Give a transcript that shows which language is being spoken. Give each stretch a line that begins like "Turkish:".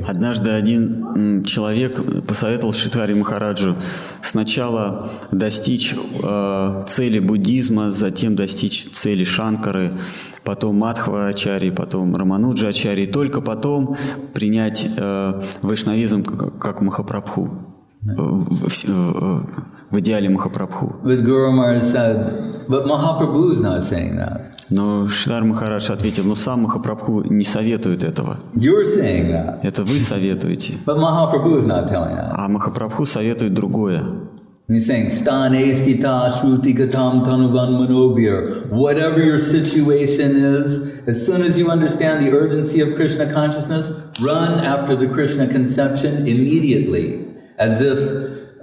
Russian: Однажды один человек посоветовал Шритхари Махараджу сначала достичь цели буддизма, затем достичь цели Шанкары, потом Мадхва-ачарьи, потом Рамануджа-ачарьи, только потом принять вайшнавизм как Махапрабху, в идеале Махапрабху.
English: But Guru Maharaj said, but Mahaprabhu is not saying that.
Russian: Но Шридхар Махарадж ответил, но сам Махапрабху не советует этого.
English: You're saying that.
Russian: Это вы советуете.
English: But Mahaprabhu is not telling that.
Russian: А Махапрабху советует другое.
English: He's saying,
Sanskrit: sthanestita shruti gatam tanuvan manobhir.
English: Whatever your situation is, as soon as you understand the urgency of Krishna consciousness, run after the Krishna conception immediately, as if...